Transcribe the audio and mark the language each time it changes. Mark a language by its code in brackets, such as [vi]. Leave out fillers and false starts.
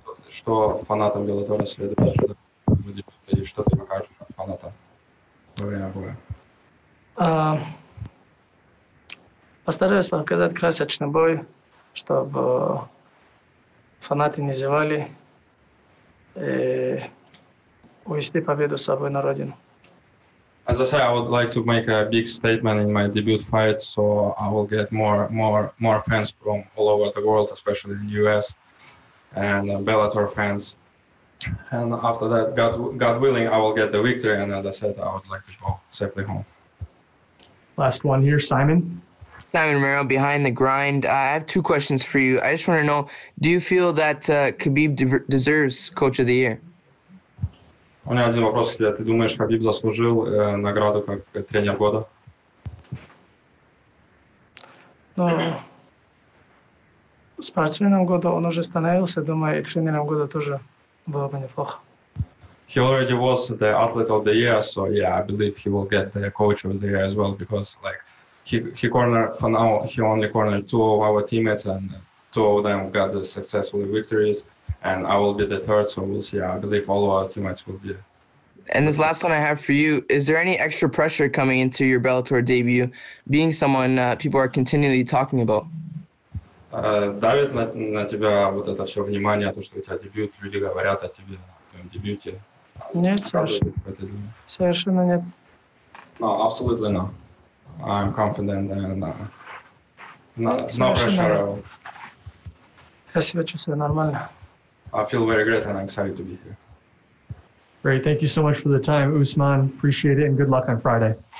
[ru] Что фанатам Беллатора следует ожидать? И что ты покажешь фанатам во время боя? Постараюсь показать красочный бой, чтобы фанаты не зевали и увести победу с собой на родину. [en] As I say, I would like to make a big statement in my debut fight, so I will get more fans from all over the world, especially in the US and Bellator fans. And after that, God willing, I will get the victory, and as I said, I would like to go safely home. Last one here, Simon. Simon Romero, Behind the Grind. I have two questions for you. I just want to know, do you feel that Khabib deserves Coach of the Year? [ru] У меня один вопрос. Ты думаешь, Хабиб заслужил награду как тренер года? Ну, спортсменом года он уже становился, думаю, и тренером года тоже было бы неплохо. [en] He already was the athlete of the year, so yeah, I believe he will get the coach of the year as well, because like he cornered, for now, he only cornered two of our teammates, and two of them got the successful victories. And I will be the third, so we'll see. I believe all of our teammates will be. And this last one I have for you, is there any extra pressure coming into your Bellator debut, being someone people are continually talking about? [ru] Давит на тебя вот это все внимание, то, что у тебя дебют, люди говорят о тебе, о твоем дебюте? Нет, совершенно нет. [en] No, absolutely not. I'm confident and no pressure at all. [ru] Я себя чувствую нормально. [en] I feel very great and I'm excited to be here. Great. Thank you so much for the time, Usman. Appreciate it and good luck on Friday.